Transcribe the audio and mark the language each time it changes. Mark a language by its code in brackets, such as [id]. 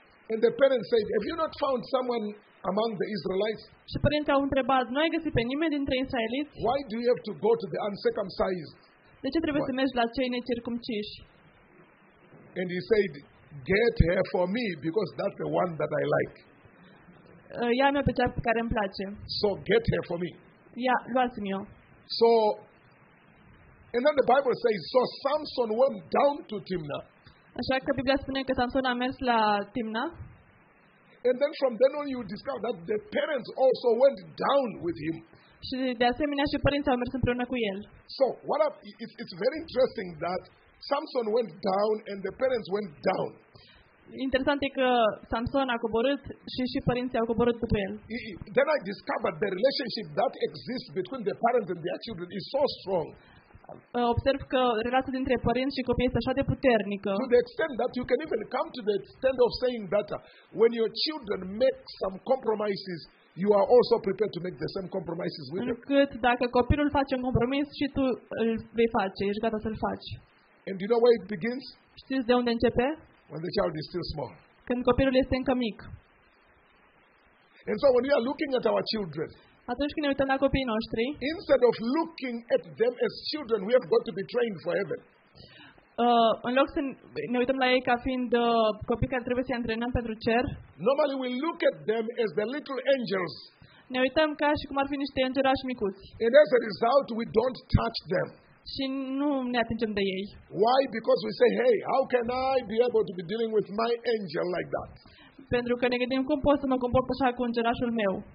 [en] And the parents said, have you not found someone among the Israelites? [ro] Și părinții au întrebat, nu ai găsit pe nimeni dintre israeliți? [en] Why do you have to go to the uncircumcised? [ro] De ce trebuie să mergi la cei necircumciși? [en] And he said, get her for me because that's the one that I like. [ro] Ia-mi pe cea pe care îmi place. [en] So get her for me. [ro] Ia, luați-mi-o. [en] So and then the Bible says, so Samson went down to Timnah. [ro] Așa că Biblia spune că Samson a mers la Timnah. [en] And then from then on you discover that the parents also went down with him. [ro] Și de asemenea și părinții au mers împreună cu el. [en] So what it's very interesting that Samson went down and the parents went down. [ro] interesant e că Samson a coborât și și părinții au coborât după el. [en] Then I discovered the relationship that exists between the parents and their children is so strong. [ro] Observ că relația dintre părinți și copii este așa de puternică. [en] To the extent that you can even come to the extent of saying that when your children make some compromises, you are also prepared to make the same compromises with them. [ro] Încât dacă copilul face un compromis și tu îl vei face, ești gata să-l faci. [en] And you know where it begins? [ro] Știți de unde începe? [en] When the child is still small. [ro] Când copilul este încă mic. [en] And so when we are looking at our children, [ro] atunci când ne uităm la copiii noștri, [en] instead of looking at them as children, we have got to be trained for heaven. [ro] În loc să ne uităm la ei ca fiind copii care trebuie să-i antrenăm pentru cer, [en] normally we look at them as the little angels. [ro] Ne uităm ca și cum ar fi niște îngerași micuți. [en] And as a result, we don't touch them. [ro] Și nu ne atingem de ei. [en] Why? Because we say, hey, how can I be able to be dealing with my angel like that? [ro] Pentru că ne gândim cum pot să mă comport așa cu îngerașul meu.